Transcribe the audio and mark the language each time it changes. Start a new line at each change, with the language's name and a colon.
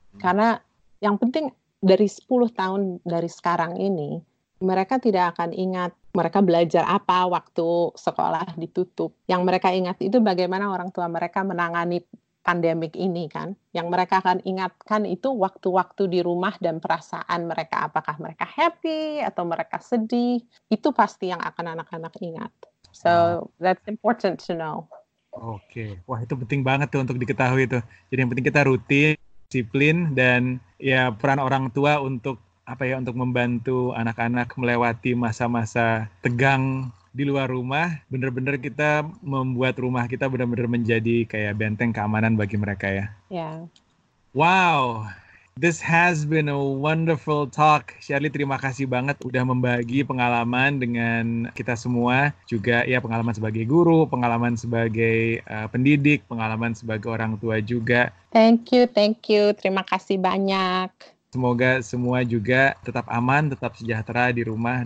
Indonesian: Karena yang penting dari 10 tahun dari sekarang ini, mereka tidak akan ingat mereka belajar apa waktu sekolah ditutup. Yang mereka ingat itu bagaimana orang tua mereka menangani pandemik ini, kan? Yang mereka akan ingatkan itu waktu-waktu di rumah dan perasaan mereka. Apakah mereka happy atau mereka sedih? Itu pasti yang akan anak-anak ingat.
English: So, that's important to know. Oke. Okay.
Indonesian: Wah, itu penting banget tuh untuk diketahui itu. Jadi yang penting kita rutin, disiplin, dan ya peran orang tua untuk apa ya, untuk membantu anak-anak melewati masa-masa tegang di luar rumah, benar-benar kita membuat rumah kita benar-benar menjadi kayak benteng keamanan bagi mereka ya.
English: Yeah. Wow, this has been a wonderful talk.
Indonesian: Shirley, terima kasih banget udah membagi pengalaman dengan kita semua. Juga ya pengalaman sebagai guru, pengalaman sebagai pendidik, pengalaman sebagai orang tua juga.
English: Thank you.
Indonesian: Terima kasih banyak. Semoga semua juga tetap aman, tetap sejahtera di rumah.